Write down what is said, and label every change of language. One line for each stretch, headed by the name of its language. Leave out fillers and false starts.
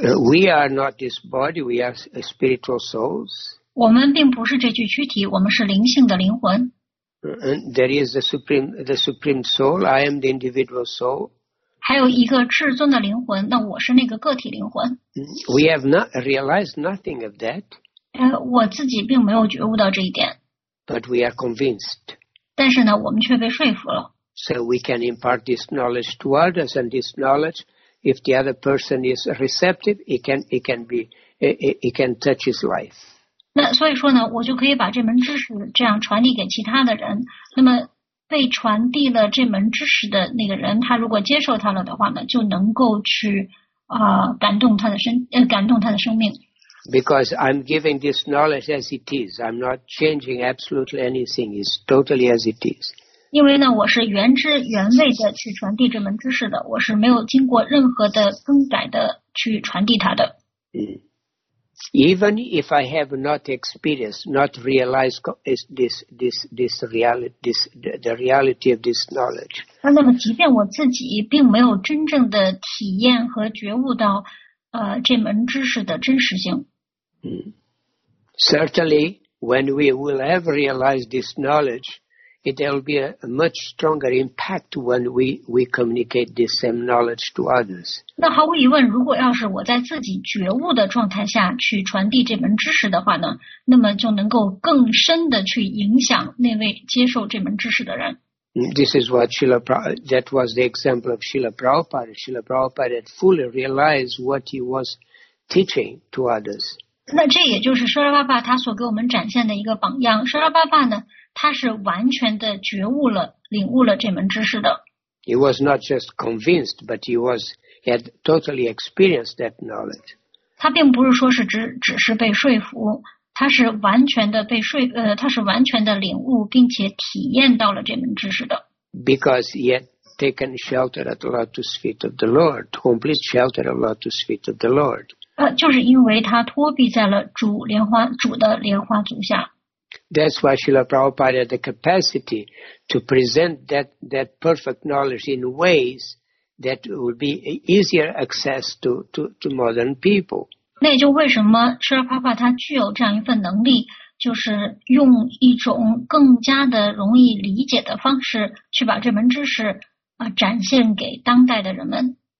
English: We are not this body, we are spiritual souls.
Chinese: 我们并不是这具躯体，我们是灵性的灵魂。
English: There is the supreme soul, I am the individual soul.
Chinese: 还有一个至尊的灵魂，那我是那个个体灵魂。
English: We have not realized nothing of that.
Chinese: 我自己并没有觉悟到这一点。
English: But we are convinced.
Chinese: 但是呢，我们却被说服了。
English: So we can impart this knowledge to others, and this knowledge, if the other person is receptive, it can touch his life.
Chinese: 那所以说呢，我就可以把这门知识这样传递给其他的人。那么被传递了这门知识的那个人，他如果接受他了的话呢，就能够去感动他的生命。
English: Because I'm giving this knowledge as it is, I'm not changing absolutely anything. It's totally as it is.
Chinese: 因为呢，我是原汁原味的去传递这门知识的，我是没有经过任何的更改的去传递它的。
English: Even if I have not experienced, not realized this reality, the reality of this knowledge.
Chinese: 那么，即便我自己并没有真正的体验和觉悟到这门知识的真实性。
English: Certainly, when we will have realized this knowledge,there will be a much stronger impact when we communicate this same knowledge to others.
Chinese: 那毫无疑问，如果要是我在自己觉悟的状态下去传递这门知识的话呢，那么就能够更深的去影响那位接受这门知识的人。
English: This is what that was the example of Srila Prabhupada. Srila Prabhupada had fully realized what he was teaching to others.
Chinese: 那这也就是舍拉巴巴他所给我们展现的一个榜样。舍拉巴巴呢？他是完全的觉悟了，领悟了这门知识的。
English: He was not just convinced, but he had totally experienced that knowledge.
Chinese: 他并不是说是只是被说服，他是完全的被说，他是完全的领悟并且体验到了这门知识的。
English: Because he had taken shelter at the lotus feet of the Lord, complete shelter at the lotus feet of the Lord.
Chinese: 就是因为他托庇在了主莲花主的莲花足下。
English: That's why Srila Prabhupada had the capacity to present that perfect knowledge in ways that would be easier access to modern people.
Chinese: 那也就为什么 Srila Prabhupada 他具有这样一份能力，就是用一种更加的容易理解的方式去把这门知识展现给当代的人们。